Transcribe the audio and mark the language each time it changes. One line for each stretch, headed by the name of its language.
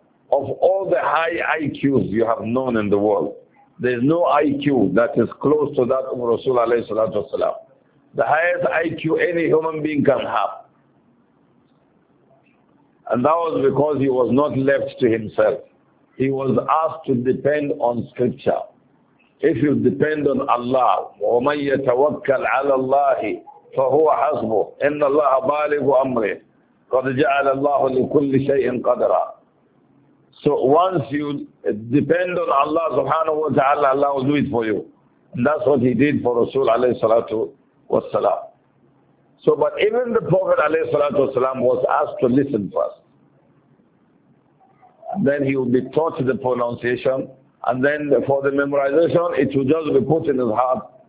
English: Of all the high IQs you have known in the world, there's no IQ that is close to that of Rasul alayhi salatu wasalam. The highest IQ any human being can have. And that was because he was not left to himself. He was asked to depend on scripture. If you depend on Allah,
Arabic: وَمَنْ يَتَوَكَّلْ عَلَى اللَّهِ فَهُوَ حَسْبُهُ إِنَّ اللَّهَ بَالِغُ أَمْرِهِ قَدْ جَعَلَ اللَّهُ لِكُلِّ شَيْءٍ قَدْرًا.
English: So once you depend on Allah subhanahu wa ta'ala, Allah will do it for you. And that's what he did for Rasul alayhi salatu wa salam. So, but even the Prophet alayhi salatu wa salam was asked to listen first. And then he would be taught the pronunciation. And then for the memorization, it would just be put in his heart.